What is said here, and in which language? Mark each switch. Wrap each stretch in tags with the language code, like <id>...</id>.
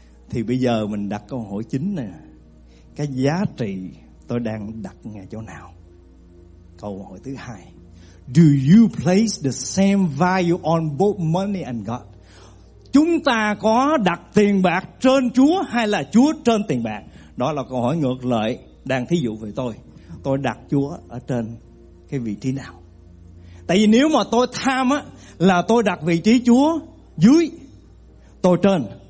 <vi>Thì bây giờ mình đặt câu hỏi chính nè. Cái giá trị tôi đang đặt ngay chỗ nào? Câu hỏi thứ hai.</vi> <en>Do you place the same value on both money and God?</en> <vi>Chúng ta có đặt tiền bạc trên Chúa hay là Chúa trên tiền bạc? Đó là câu hỏi ngược lại. Đang thí dụ về tôi. Tôi đặt Chúa ở trên cái vị trí nào? Tại vì nếu mà tôi tham á, là tôi đặt vị trí Chúa dưới, tôi trên.</vi>